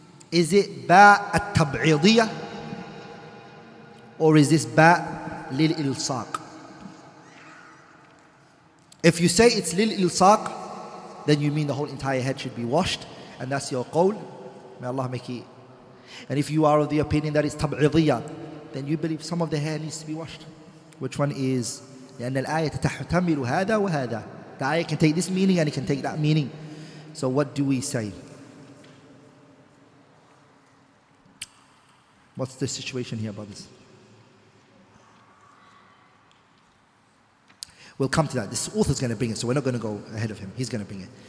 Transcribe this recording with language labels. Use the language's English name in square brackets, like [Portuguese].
[English] Is it ba at-tab'idiyah or is this ba lil ilsaq? If you say it's lil ilsaq, then you mean the whole entire head should be washed, and that's your qawl. May Allah make it. And if you are of the opinion that it's tab'idiyah, then you believe some of the hair needs to be washed. Which one is? [Arabic] لأن الآية تحتمل هذا وهذا. [English] The ayah can take this meaning and it can take that meaning. So what do we say? What's the situation here, brothers? We'll come to that. This author's going to bring it, so we're not going to go ahead of him. He's going to bring it.